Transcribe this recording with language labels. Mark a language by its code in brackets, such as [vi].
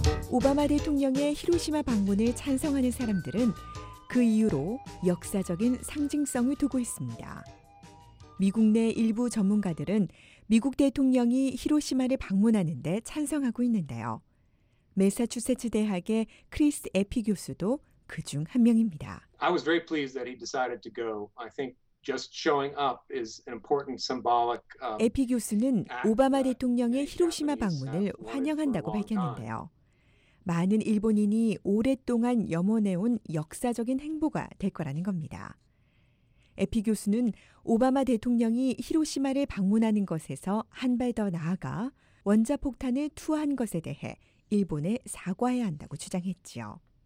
[ko] 오바마 대통령의 히로시마 방문을 찬성하는 사람들은 그 이유로 역사적인 상징성을 두고 있습니다. 미국 내 일부 전문가들은 미국 대통령이 히로시마를 방문하는 데 찬성하고 있는데요. 매사추세츠 대학의 크리스 에피 교수도 그 중 한 명입니다. [en] I was very pleased that he decided to go. I think just showing up is an important symbolic. [ko] 에피 교수는 오바마 대통령의 히로시마 방문을 환영한다고 밝혔는데요. 많은 일본인이 오랫동안 염원해온 역사적인 행보가 될 거라는 겁니다. 에피 교수는 오바마 대통령이 히로시마를 방문하는 것에서 한 발 더 나아가 원자폭탄을 투하한 것에 대해 일본에 사과해야 한다고 주장했지요.